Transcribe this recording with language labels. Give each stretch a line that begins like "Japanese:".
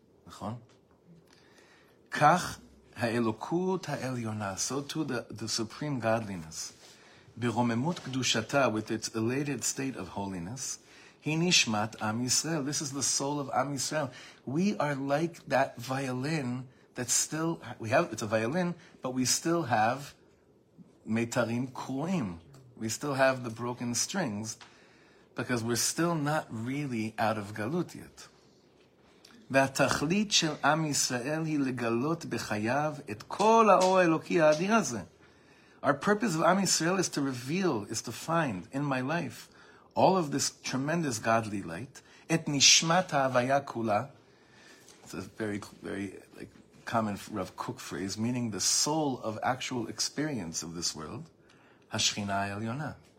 Hebrew: Nachon? Kach ha'elokut ha'elyona,
English: so too the supreme godliness,
Hebrew: b'romemut kedushata,
English: with its elated state of holiness,
Hebrew: hinishmat am Yisrael,
English: this is the soul of Am Yisrael. We are like that violin that still, we have, it's a violin, but we still have
Hebrew: metarim kruim.
English: We still have the broken strings, because we're still not really out of galut yet.
Hebrew: והתכלית של עם ישראל היא לגלות בחייו את כל האור האלוקי האדיר הזה.
English: Our purpose of עם ישראל is to reveal, is to find in my life all of this tremendous godly light,
Hebrew: את נשמת ההוויה כולה.
English: It's a very, very like common Rav Kook phrase, meaning the soul of actual experience of this world,
Hebrew: השכינה העליונה.